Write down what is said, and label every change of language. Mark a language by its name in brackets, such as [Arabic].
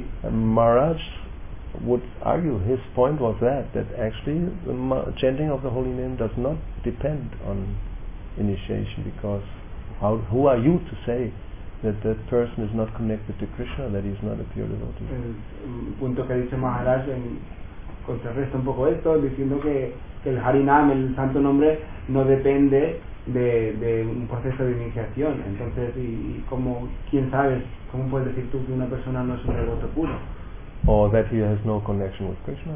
[English] Maharaj would argue his point was that actually the chanting of the holy name does not depend on initiation, because who are you to say that that person is not connected to Krishna, that he is not a pure devotee? [Spanish] El punto que dice Maharaj contrarresta un poco esto diciendo que el Harinam, el santo nombre, no depende de un proceso de iniciación. Entonces, y como quién sabe, ¿cómo puedes decir tú que una persona no es un devoto puro? [English] O that he has no connection with Krishna.